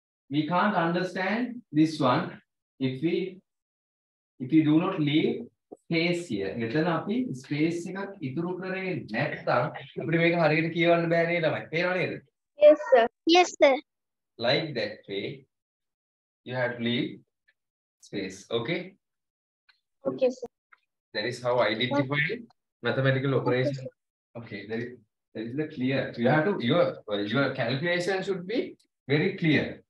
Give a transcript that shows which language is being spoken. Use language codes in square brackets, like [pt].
[en] We can't understand this one if we do not leave space here. [si] Ethan api space එක ඉතුරු කරේ නැත්තම් අපිට මේක හරියට කියවන්න බෑ නේද ළමයි? පේනව නේද? [en] Yes sir. Yes sir. Like that way you have to leave space. Okay? Okay sir. That is how I identify mathematical operation. Okay, that is the clear. You have to your calculation should be very clear.